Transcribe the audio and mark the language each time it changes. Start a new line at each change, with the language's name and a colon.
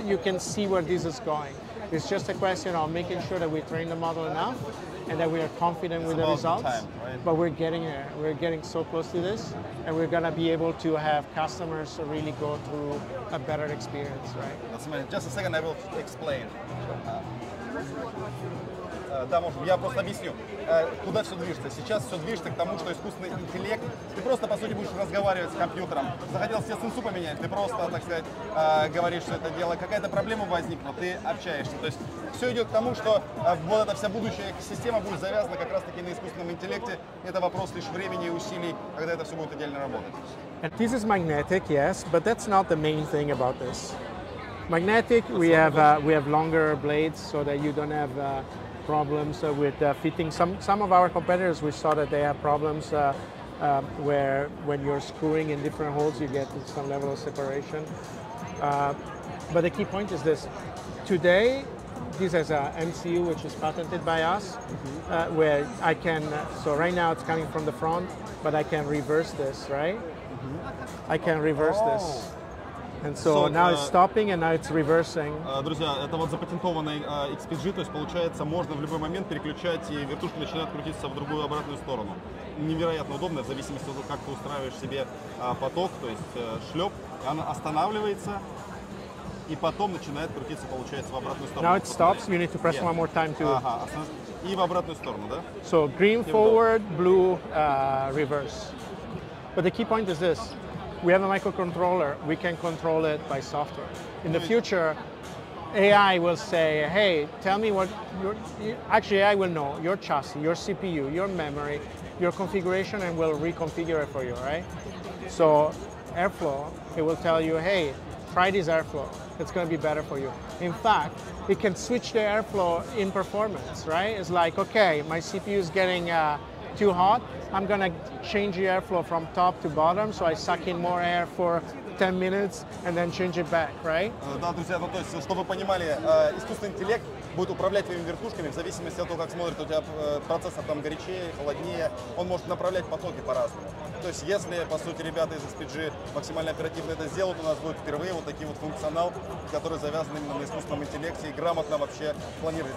English: You can see where this is going. It's just a question of making sure that we train the model enough and that we are confident it's with the results. Time, right? But we're getting there. We're getting so close to this, and we're going to be able to have customers really go through a better experience, right? That's amazing. Just a second, I will explain.
Russian: Да, может, я просто объясню, куда все движется. Сейчас все движется к тому, что искусственный интеллект, ты просто, по сути, будешь разговаривать с компьютером. Захотел себе сенсу поменять, ты просто, так сказать, говоришь, что это дело, какая-то проблема возникла, ты общаешься. То есть все идет к тому, что вот эта вся будущая система будет завязана как раз-таки на искусственном интеллекте. Это вопрос лишь времени и усилий, когда это все будет отдельно работать.
English: This is magnetic, yes, but that's not the main thing about this. Magnetic, we have longer blades so that you don't have problems with fitting. Some of our competitors, we saw that they have problems where when you're screwing in different holes, you get some level of separation. But the key point is this. Today, this is a MCU, which is patented by us, mm-hmm. Where I can, so right now it's coming from the front, but I can reverse this, right? Mm-hmm. I can reverse this. And so now it's stopping and now it's reversing.
Russian: Друзья, это вот запатентованный XPG, то есть получается можно в любой момент переключать и вертушка начинает крутиться в другую обратную сторону. Невероятно удобно, в зависимости от того, как ты устраиваешь себе поток, то есть шлеп, и она останавливается и потом начинает крутиться, получается, в обратную сторону.
English: Now it stops, you need to press one more time to...
Russian: Ага, и в обратную сторону, да?
English: So green forward, blue reverse. But the key point is this. We have a microcontroller, we can control it by software. In the future, AI will say, hey, tell me what your... Actually, AI will know your chassis, your CPU, your memory, your configuration, and will reconfigure it for you, right? So Airflow, it will tell you, hey, try this Airflow. It's going to be better for you. In fact, it can switch the Airflow in performance, right? It's like, okay, my CPU is getting too hot, I'm gonna change the airflow from top to bottom, so I suck in more air for 10 minutes and then change it back, right?
Russian: Да, друзья, ну то есть, чтобы вы понимали, искусственный интеллект будет управлять твоими вертушками в зависимости от того, как смотрит у тебя процессор там горячее, холоднее, он может направлять потоки по-разному. То есть, если, по сути, ребята из XPG максимально оперативно это сделают, у нас будет впервые вот такие вот функционал, который завязан именно на искусственном интеллекте и грамотно вообще планировать.